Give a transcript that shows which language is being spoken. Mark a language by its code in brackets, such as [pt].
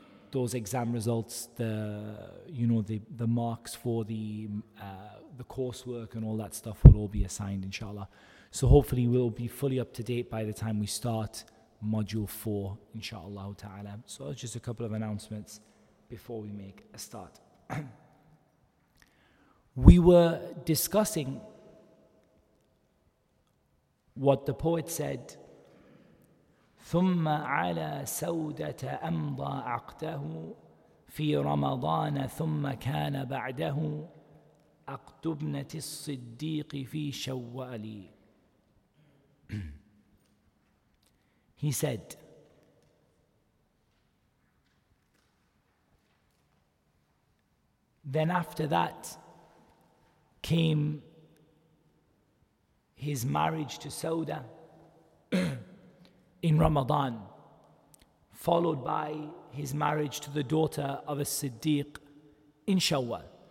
[en] Those exam results, the marks for the coursework and all that stuff will all be assigned, inshallah. So hopefully we'll be fully up to date by the time we start module 4, inshallah ta'ala. So that's just a couple of announcements before we make a start. We were discussing what the poet said, [ar] ثُمَّ عَلَى سَوْدَةَ أَمْضَى عَقْدَهُ فِي رَمَضَانَ ثُمَّ كَانَ بَعْدَهُ عَقْدُ ابْنَةِ الصِّدِّيقِ فِي شَوَّالِ. [en] He said, then after that came his marriage to Sauda in Ramadan, followed by his marriage to the daughter of a Siddiq in Shawwal.